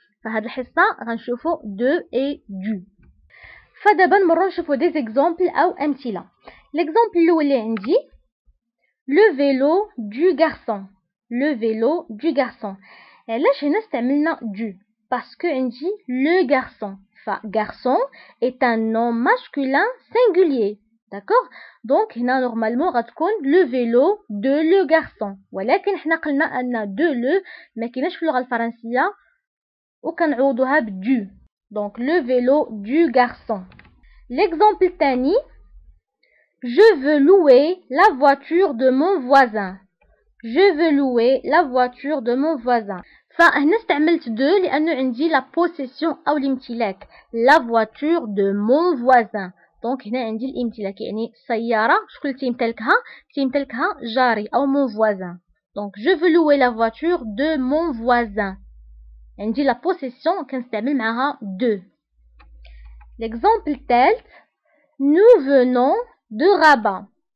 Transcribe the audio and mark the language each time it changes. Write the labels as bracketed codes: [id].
[ar] فهذه الحصه غنشوفوا دو اي دو. فدابا نمروا نشوفوا دي زيكزامبل او امثله. ليكزامبل الاول اللي عندي لو فيلو دو غارسون. لو فيلو دو غارسون، علاش هنا استعملنا دو؟ باسكو عندي لو غارسون، ف غارسون ايت ان نوم ماسكولين سينغولير. [fr] D'accord. Donc, هنا normalement غتكون le vélo de le garçon. [ar] ولكن حنا قلنا ان de le ما كايناش في اللغه الفرنسيه وكنعوضوها ب du. [fr] Donc le vélo du garçon. L'exemple الثاني je veux louer la voiture de mon voisin. Je veux louer la voiture de mon voisin. [ar] فهنا استعملت [fr] de [ar] لانه عندي [fr] la possession او الامتلاك la voiture de mon voisin. [ar] دونك هنا عندي الامتلاك، يعني السياره شكون تيمتلكها؟ تيمتلكها جاري او مون فوازان. دونك [fr] جو فو لوي لا فواتور دو مون فوازان، [ar] عندي لا بوسيسيون كنستعمل معاها دو. [fr] ليكزامبل التالت نو فينون دو رابا.